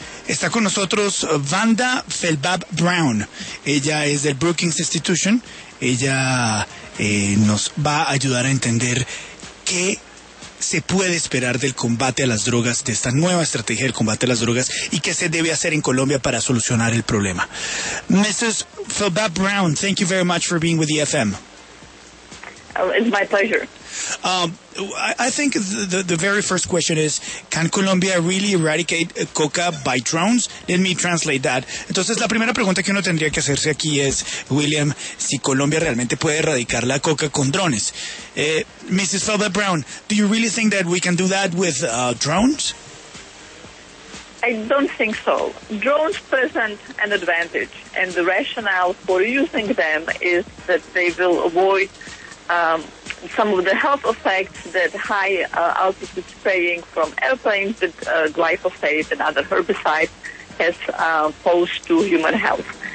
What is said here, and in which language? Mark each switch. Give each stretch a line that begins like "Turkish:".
Spanish: Está con nosotros Vanda Felbab Brown. Ella es del Brookings Institution. Ella nos va a ayudar a entender qué se puede esperar del combate a las drogas, de esta nueva estrategia del combate a las drogas, y qué se debe hacer en Colombia para solucionar el problema.
English: Mrs. Felbab Brown, thank you very much for being with the FM. It's my pleasure. I think the very first question is, can Colombia really eradicate coca by drones? Let me translate that.
Spanish: Entonces, la primera pregunta que uno tendría que hacerse aquí es, William, si Colombia realmente puede erradicar la coca con drones.
English: Mrs. Felbab Brown, do you really think that we can do that with drones? I don't think so. Drones present an advantage, and the rationale for using them is that they will avoid some of the health effects that high altitude spraying from airplanes with glyphosate and other herbicides has posed to human health.